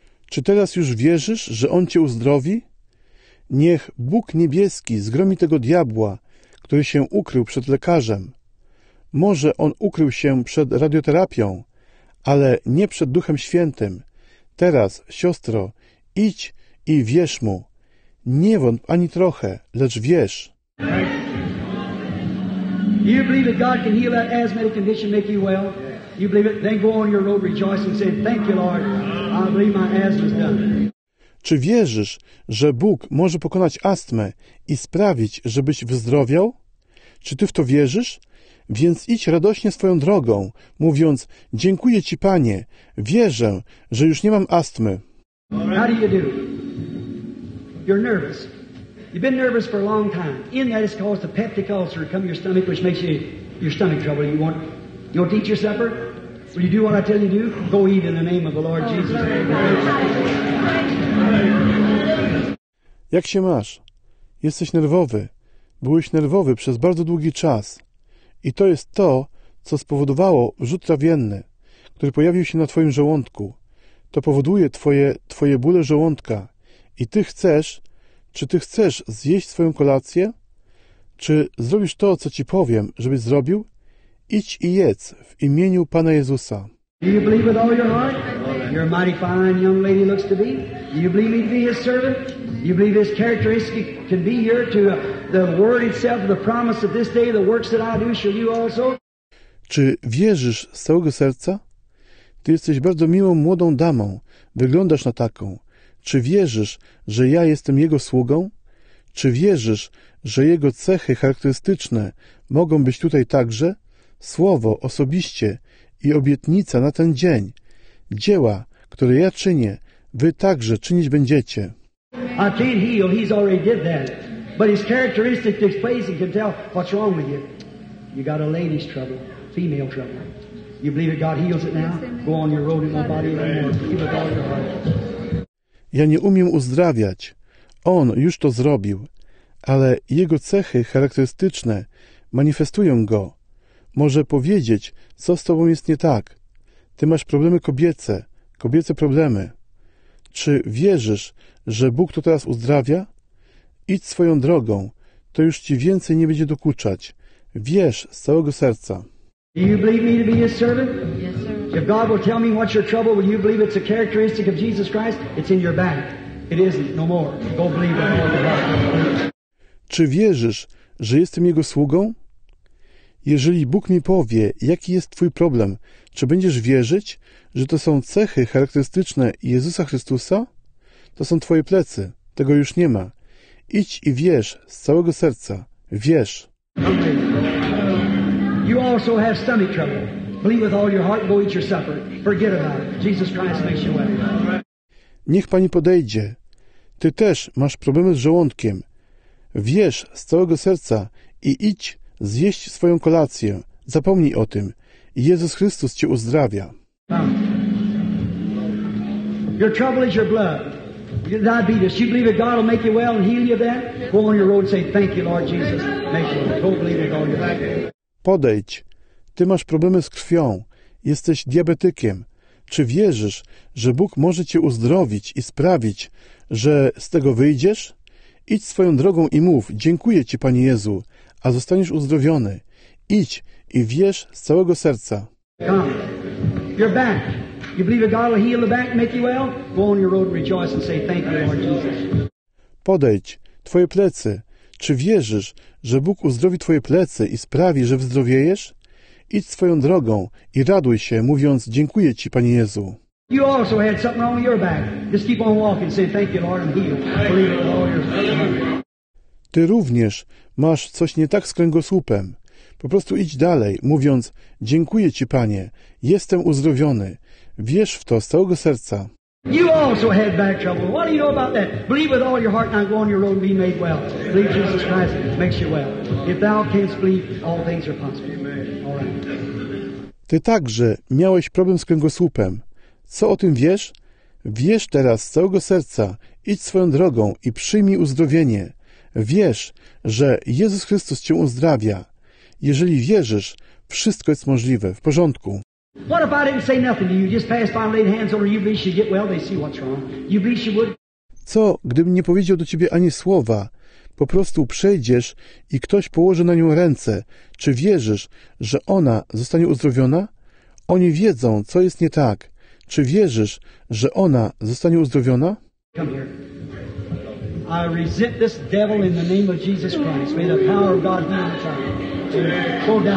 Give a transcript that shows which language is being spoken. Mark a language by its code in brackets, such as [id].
[pl] Czy teraz już wierzysz, że On cię uzdrowi? Niech Bóg niebieski zgromi tego diabła, który się ukrył przed lekarzem. Może on ukrył się przed radioterapią, ale nie przed Duchem Świętym. Teraz, siostro, idź i wierz mu. Nie wątp ani trochę, lecz wierz. [en] You believe that God can heal that asthmatic condition, make you well? You believe it? Then go on your road rejoicing, saying, "Thank you, Lord. I believe my asthma is done." [pl] Czy wierzysz, że Bóg może pokonać astmę i sprawić, żebyś wyzdrowiał? Czy ty w to wierzysz? Więc idź radośnie swoją drogą, mówiąc: "Dziękuję ci, Panie. Wierzę, że już nie mam astmy." [en] How do you do? You're nervous. You've been nervous for a long time. In that is caused a peptic ulcer to come to your stomach, which makes your stomach trouble. You want. You'll eat your supper? Will you do what I tell you to do? Go eat in the name of the Lord Jesus. [pl] Jak się masz? Jesteś nerwowy. Byłeś nerwowy przez bardzo długi czas. I to jest to, co spowodowało rzut trawienny, który pojawił się na twoim żołądku. To powoduje twoje bóle żołądka. I czy ty chcesz zjeść swoją kolację? Czy zrobisz to, co ci powiem, żebyś zrobił? Idź i jedz w imieniu Pana Jezusa. [en] Do you believe with all your heart? You're a mighty fine young lady looks to be. Do you believe me to be his servant? Do you believe his characteristic can be here to the word itself, the promise of this day, the works that I do, shall you also? [pl] Czy wierzysz z całego serca? Ty jesteś bardzo miłą, młodą damą. Wyglądasz na taką. Czy wierzysz, że ja jestem jego sługą? Czy wierzysz, że jego cechy charakterystyczne mogą być tutaj także? Słowo osobiście i obietnica na ten dzień. Dzieła, które ja czynię, wy także czynić będziecie. [en] I can't heal, he's already did that. But his characteristic displays and can tell what's wrong with you. You got a lady's trouble, female trouble. You believe that God heals it now? Go on your road in my body anymore. [pl] Ja nie umiem uzdrawiać. On już to zrobił. Ale jego cechy charakterystyczne manifestują go. Może powiedzieć, co z tobą jest nie tak. Ty masz problemy kobiece problemy. Czy wierzysz, że Bóg to teraz uzdrawia? Idź swoją drogą, to już ci więcej nie będzie dokuczać. Wierz z całego serca. [en] Do you believe me to be his servant? Yes, sir. If God will tell me what's your trouble, will you believe it's a characteristic of Jesus Christ? It's in your back. It isn't, no more. Go believe it. [pl] Czy wierzysz, że jestem jego sługą? Jeżeli Bóg mi powie, jaki jest twój problem, czy będziesz wierzyć, że to są cechy charakterystyczne Jezusa Chrystusa? To są twoje plecy, tego już nie ma. Idź i wierz z całego serca. Wierz. [en] You also have stomach trouble. Believe with all your heart, go eat your supper. Forget about it. Jesus Christ makes you well. [pl] Niech pani podejdzie. Ty też masz problemy z żołądkiem. Wierz z całego serca i idź. Zjeść swoją kolację. Zapomnij o tym. Jezus Chrystus cię uzdrawia. [en] Your trouble is your blood. Your diabetes. You believe that God will make you well and heal you then? Go on your road and say, thank you, Lord Jesus. Make you well. Go believe it all your life. [pl] Podejdź. ty masz problemy z krwią, jesteś diabetykiem. Czy wierzysz, że Bóg może cię uzdrowić i sprawić, że z tego wyjdziesz? Idź swoją drogą i mów, dziękuję ci, Panie Jezu, a zostaniesz uzdrowiony. Idź i wierz z całego serca. [en] Come. You're back. You believe that God will heal the back and make you well? Go on your road and rejoice and say thank you, Lord Jesus. [pl] Podejdź. Twoje plecy. Czy wierzysz, że Bóg uzdrowi twoje plecy i sprawi, że wyzdrowiejesz? Idź swoją drogą i raduj się, mówiąc dziękuję ci, Panie Jezu. [en] You also had something on your back. Just keep on walking. Say thank you, Lord, and heal. Believe it, Lord. [pl] Ty również masz coś nie tak z kręgosłupem. Po prostu idź dalej, mówiąc dziękuję ci, Panie, jestem uzdrowiony. Wierz w to z całego serca. [en] You also had back trouble. What do you know about that? Believe with all your heart and go on your road and be made well. Believe Jesus Christ makes you well. If thou canst believe, all things are possible. All right. [pl] Ty także miałeś problem z kręgosłupem. Co o tym wiesz? Wierz teraz z całego serca, idź swoją drogą i przyjmij uzdrowienie. Wierz, że Jezus Chrystus cię uzdrawia. Jeżeli wierzysz, wszystko jest możliwe, w porządku. [en] What if I didn't say nothing to you? Just pass by and laid hands on her. You believe she'd get well? They see what's wrong. You believe she would? [pl] Co, gdybym nie powiedział do ciebie ani słowa? Po prostu przejdziesz i ktoś położy na nią ręce. Czy wierzysz, że ona zostanie uzdrowiona? Oni wiedzą, co jest nie tak. Czy wierzysz, że ona zostanie uzdrowiona? [en] Come here. I resent this devil in the name of Jesus Christ. May the power of God be on the child.